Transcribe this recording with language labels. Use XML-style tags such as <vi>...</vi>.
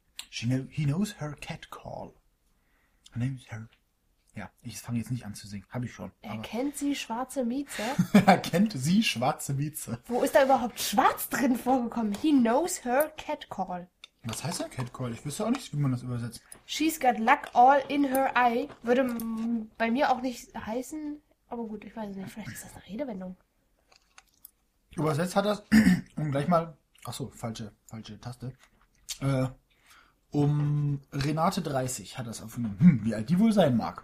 <en>He knows her catcall. Her name is her.</en> <de>Ja, ich fange jetzt nicht an zu singen. Habe ich schon. Er kennt sie schwarze Mieze. Er kennt sie schwarze Mieze. Wo ist da überhaupt schwarz drin vorgekommen?</de> <en>He knows her catcall.</en> <de>Was heißt denn catcall? Ich wüsste auch nicht, wie man das übersetzt.</de> <en>She's got luck all in her eye.</en> <de>Würde bei mir auch nicht heißen. Aber gut, ich weiß es nicht. Vielleicht ist das eine Redewendung. Übersetzt hat das, um gleich mal... Achso, falsche Taste. Um Renate 30 hat das erfunden. Wie alt die wohl sein mag.</de>